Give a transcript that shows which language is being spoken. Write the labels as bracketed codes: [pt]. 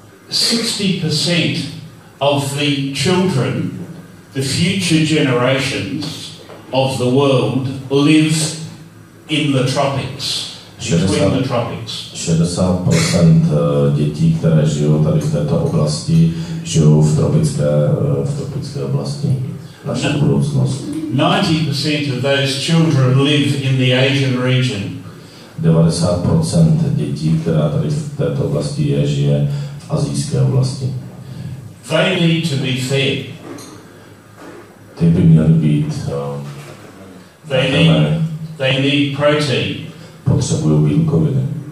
[en] 60% of the children, the future generations of the world, live in the tropics. Between the tropics. [cs] 60% dětí, které žijou tady v této oblasti, žijou v tropické oblasti. Naše budoucnost. [en] 90% of those children live in the Asian region. [cs] 90% dětí, která tady v této oblasti je, žije v asijské oblasti. [en] They need to be fed. [cs] Ty by měly být. [en] They need protein. [cs] Potřebují bílkoviny.